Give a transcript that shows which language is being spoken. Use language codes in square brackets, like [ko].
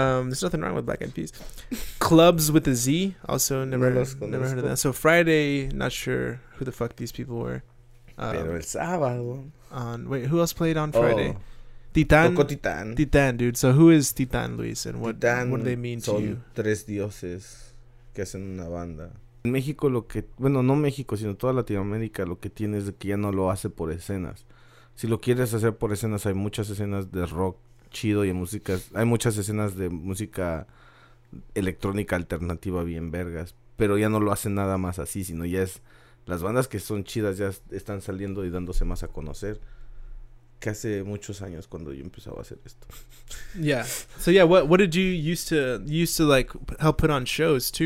[en] There's nothing wrong with Black Eyed Peas. Clubs with a Z. Also never heard of that. So Friday, not sure who the fuck these people were. [es] Pero el sábado. [en] Who else played on Friday? Titan. [es] Tocó Titan. [en] Titan, dude. So who is Titan, Luis, and what do they mean to you? [es] Son tres dioses que hacen una banda. En México lo que, bueno, no México, sino toda Latinoamérica, lo que tiene es de que ya no lo hace por escenas. Si lo quieres hacer por escenas, hay muchas escenas de rock chido y en músicas, hay muchas escenas de música electrónica alternativa bien vergas, pero ya no lo hacen nada más así, sino ya es las bandas que son chidas ya están saliendo y dándose más a conocer. Que hace muchos años cuando yo empezaba a hacer esto. [en] Yeah. So yeah, what did you used to like help put on shows too,